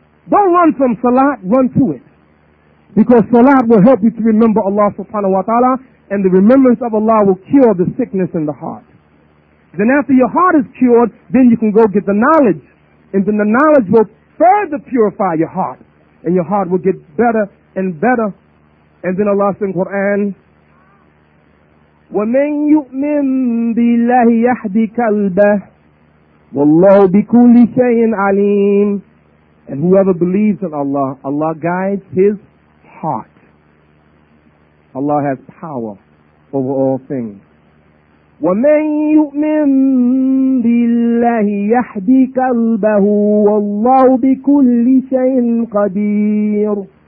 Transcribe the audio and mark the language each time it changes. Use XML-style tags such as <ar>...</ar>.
<en>Don't run from salat, run to it. Because salat will help you to remember Allah subhanahu wa ta'ala, and the remembrance of Allah will cure the sickness in the heart. Then after your heart is cured, then you can go get the knowledge. And then the knowledge will further purify your heart. And your heart will get better and better. And then Allah says in Quran,</en> <ar>وَمَنْ يُؤْمِن بِاللَّهِ يَحْدِ قَلْبَهِ وَاللَّهُ بِكُلِّ شَيْءٍ عَلِيمٍ.</ar> <en>And whoever believes in Allah, Allah guides his heart. Allah has power over all things.</en> <ar>وَمَنْ يُؤْمِن بِاللَّهِ يَحْدِ قَلْبَهُ وَاللَّهُ بِكُلِّ شَيْءٍ قَدِيرٌ.</ar>